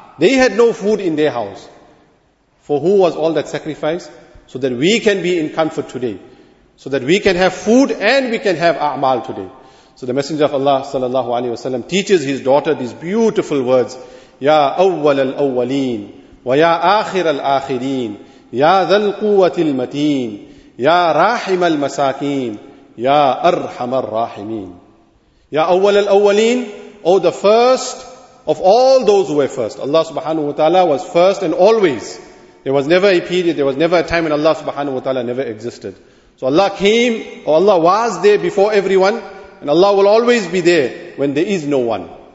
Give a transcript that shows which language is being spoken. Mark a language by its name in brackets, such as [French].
[English] They had no food in their house. For who was all that sacrifice? So that we can be in comfort today. So that we can have food and we can have a'mal today. So the Messenger of Allah sallallahu alaihi wasallam teaches his daughter these beautiful words, [Arabic] Ya awwal al awwaleen. ويا آخر الآخرين يا ذا القوة المتين يا راحم المساكين يا أرحم الراحمين. يا أول الأولين, [English] O the first of all those who were first. Allah subhanahu wa ta'ala was first and always. There was never a period, there was never a time when Allah subhanahu wa ta'ala never existed. So Allah came, or Allah was there before everyone, and Allah will always be there when there is no one.